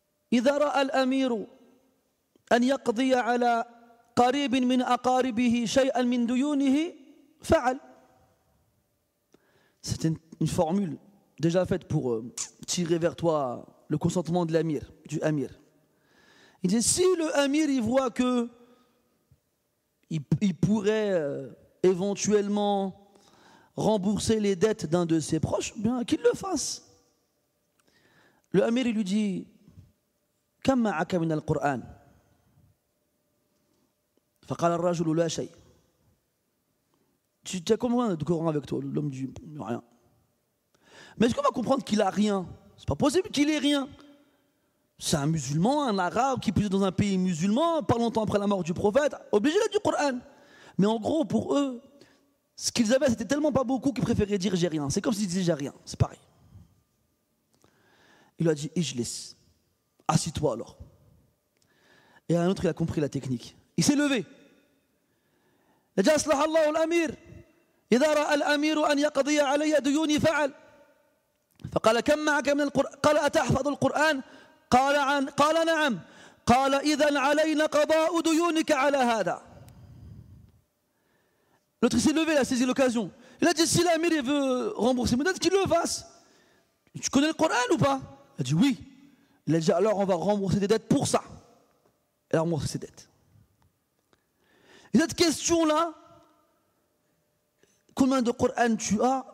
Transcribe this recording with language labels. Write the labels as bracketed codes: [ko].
[fr] Iza ra'a al-Amir an yaqdiya ala qaribin min aqaribihi shay'an min duyunihi, fa'al. » C'est une formule déjà faite pour tirer vers toi le consentement de l'Amir, du Amir. Il dit, si le Amir il voit que il pourrait éventuellement rembourser les dettes d'un de ses proches, bien qu'il le fasse. [ar] Le Amir il lui dit, كم معك من القرآن؟ فقال الرجل لا شيء. [fr] Tu as combien de Coran avec toi? L'homme dit rien. Mais est-ce qu'on va comprendre qu'il a rien? C'est pas possible qu'il ait rien. C'est un musulman, un arabe qui puisse dans un pays musulman, pas longtemps après la mort du prophète, obligé d'être du Coran. Mais en gros, pour eux, ce qu'ils avaient, c'était tellement pas beaucoup qu'ils préféraient dire j'ai rien. C'est comme s'ils disaient j'ai rien. C'est pareil. Il lui a dit ijlis. Assis-toi alors. Et un autre, il a compris la technique. Il s'est levé. [ar] Il a dit aslah Allah al-Amir. Idha ra'a al-Amir an yaqdiya alayya duyuni fa'al. فقال كم معك من القرآن قال أتحفظ القرآن قال عن قال نعم قال إذا علينا قضاء ديونك على هذا. [fr] L'autre s'est levé, il a saisi l'occasion. Il a dit si l'amir veut rembourser mes dettes, qu'il le fasse. Tu connais le Coran ou pas? Il a dit oui. Il a dit alors on va rembourser des dettes pour ça. Il a remboursé ses dettes. Et cette question là, combien de Coran tu as?